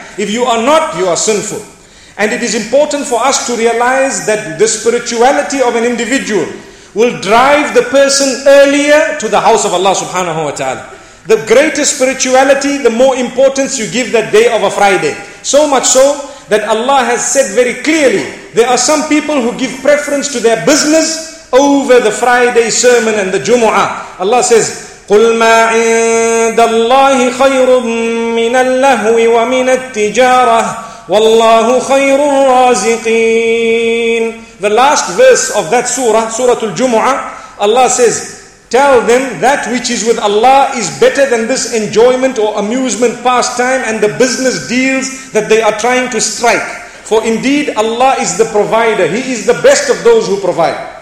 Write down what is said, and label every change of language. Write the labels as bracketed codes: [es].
[en] If you are not, you are sinful. And it is important for us to realize that the spirituality of an individual will drive the person earlier to the house of Allah subhanahu wa ta'ala. The greater spirituality, the more importance you give that day of a Friday. So much so that Allah has said very clearly, there are some people who give preference to their business over the Friday sermon and the Jumu'ah. Allah says, [ar] قُلْ مَا عِنْدَ اللَّهِ خَيْرٌ مِّنَ اللَّهْوِ وَمِنَ التِّجَارَةِ وَاللَّهُ خَيْرٌ الرَّازِقِينَ. [en] The last verse of that surah, Surah Al-Jumu'ah, Allah says, tell them that which is with Allah is better than this enjoyment or amusement pastime and the business deals that they are trying to strike. For indeed, Allah is the provider. He is the best of those who provide.